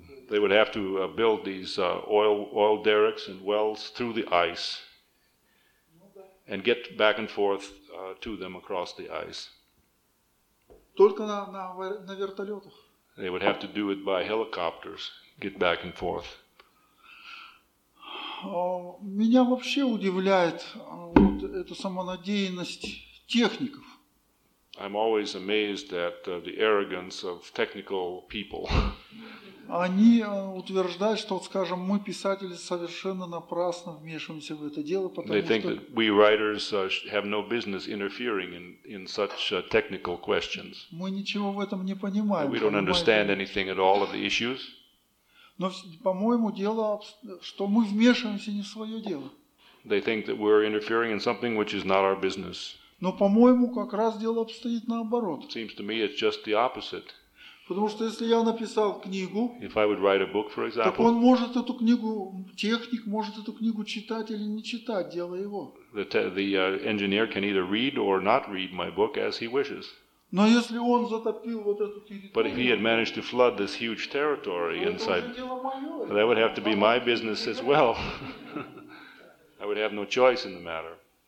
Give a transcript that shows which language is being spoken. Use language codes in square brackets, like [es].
[en] They would have to build these oil derricks and wells through the ice. And get back and forth to them across the ice. [ru] Только на вертолетах. [en] They would have to do it by helicopters, get back and forth. [ru] Меня вообще удивляет эта самонадеянность техников. [en] I'm always amazed at the arrogance of technical people. [ru] Они утверждают, что, скажем, мы, писатели, совершенно напрасно вмешиваемся в это дело, потому что... [en] They think that we writers have no business interfering in such technical questions. [ru] Мы ничего в этом не понимаем. [en] We don't understand anything at all of the issues. [ru] Но, по-моему, дело, что мы вмешиваемся не в свое дело. [en] They think that we're interfering in something which is not our business. [ru] Но, по-моему, как раз дело обстоит наоборот. [en] It seems to me it's just the opposite. [ru] Потому что если я написал книгу, [en] if I would write a book, for example, [ru] так он может эту книгу, техник может эту книгу читать или не читать, дело его. [en] The engineer can either read or not read my book as he wishes. [ru] Но если он затопил вот эту территорию, [en] but if he had managed to flood this huge territory inside, that would have to be my business as well. I would have no choice in the matter.